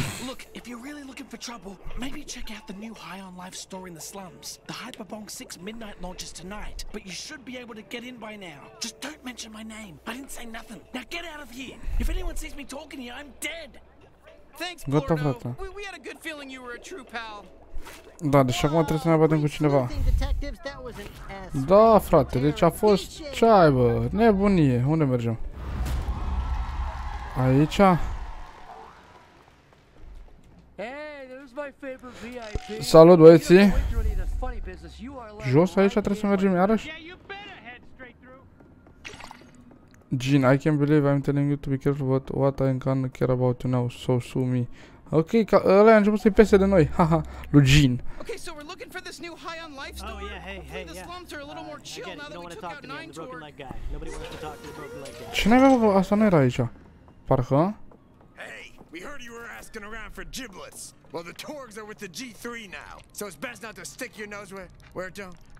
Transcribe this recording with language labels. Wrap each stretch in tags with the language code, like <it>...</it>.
<en>Look, if you're really looking for trouble, maybe check out the new High on Life store in the slums. The Hyperbong 6 Midnight launches tonight, but you should be able to get in by now. Just don't mention my name. I didn't say nothing. Now get out of here! If anyone sees me talking to you, I'm dead! Thanks, Blurto. We had a good feeling you were a true pal.</en> <ro>Da, deci acum trebuie să ne batem cu cineva. Da, frate, deci a fost... Ce ai, bă? Nebunie. Unde mergem? Aici? Salut, băieții! Jos aici trebuie să mergem iarăși?</ro> <en>Gene, I can't believe I'm telling you to be careful, but what I can't care about you now, so sue me.</en> <ro>Ok, ca ăla a început să-i pese de noi, haha, lui Gene.</ro> <en>Ok, so we're looking for this new high on life store? Oh, yeah, hey, the slums are a little more chill now that we took out 9 to work. Nobody wants to talk to the broken leg guy.</en> <ro>Ce n-ai văzut? Asta nu era aici. Parcă?</ro> <en>Hey, we heard you were asking around for giblets. Well, the Torgs are with the G3 now, so it's best not to stick your nose where it don't.</en>